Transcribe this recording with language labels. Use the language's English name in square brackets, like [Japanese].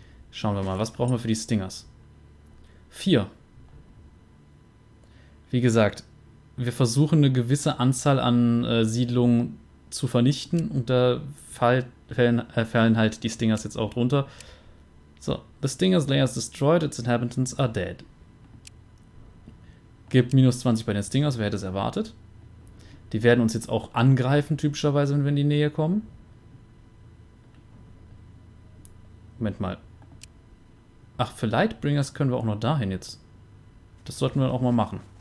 [German] Schauen wir mal, was brauchen wir für die Stingers? 4. Wie gesagt, wir versuchen eine gewisse Anzahl an Siedlungen zu vernichten und da fallen halt die Stingers jetzt auch runter. [English] So, the Stingers' Lair is destroyed, its inhabitants are dead. [German] Gibt minus 20 bei den Stingers, wer hätte es erwartet? Die werden uns jetzt auch angreifen, typischerweise, wenn wir in die Nähe kommen. Moment mal. Ach, für Lightbringers können wir auch noch dahin jetzt. Das sollten wir auch mal machen.